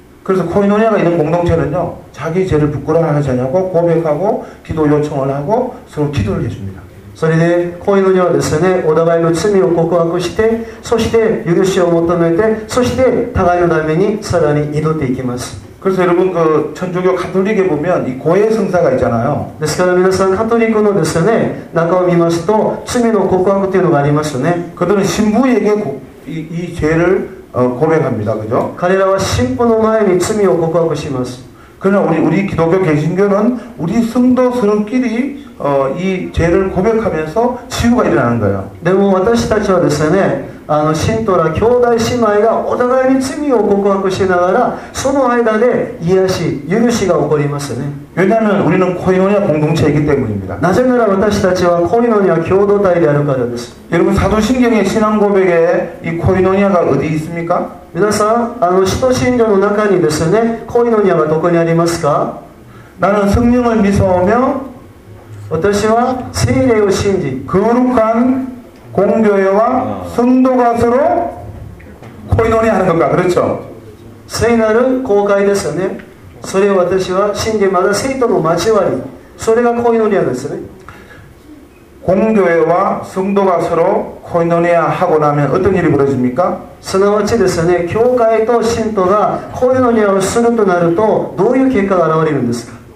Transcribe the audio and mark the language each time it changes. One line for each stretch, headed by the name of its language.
Korean: 그래서 코이노니아가 있는 공동체는요, 자기 죄를 부끄러워하지 않고 고백하고 기도 요청을 하고 서로 기도를 해줍니다.
Japanese: それでコイノニアはですね、お互いの罪を告白して、そして許しを求めて、そして互いのためにさらに祈っていきます。
Korean: 그래서 여러분 그 천주교 가톨릭에 보면 이 고해 성사가 있잖아요. 그래서
Japanese: 皆さんカトリックのですね、中を見ますと罪の告白というのがありますね。
Korean: 그들은 신부에게 이 죄를 고백합니다. 그죠?
Japanese: 彼らは神父の前に罪を告白します。
Korean: 그러나 우리 기독교 개신교는 우리 성도 서로끼리 이 죄를 고백하면서 치유가 일어나는 거예요. 근데 우리
Japanese: たちはですね、 信徒ら兄弟姉妹がお互いに罪を告白しながら、その間で癒し、許しが起こりますね。
Korean: 왜냐하면 우리는 코이노니아 공동체이기 때문입니다.
Japanese: なぜなら私たちはコイノニア共同体であるからです。
Korean: 여러분 사도신경의 신앙 고백에 이 코이노니아가 어디 있습니까?
Japanese: 皆さん、使徒信条の中にですね、コイノニアはどこにありますか？
Korean: 나는 성령을 믿어오며,
Japanese: 私は聖霊を信じ、
Korean: 거룩한 공교회와 성도가 서로 코이노니아 하는 것과, 그렇죠?
Japanese: 聖なる公開ですよね。それを私は信じ、また聖徒の交わり、それがコイノニアですね。
Korean: 공교회와성도가서로코이노니아하고나면어떤일이벌어집니까
Japanese: すなわちですね、教会と信徒がコイノニアをするとなるとどういう結果が現れるんですか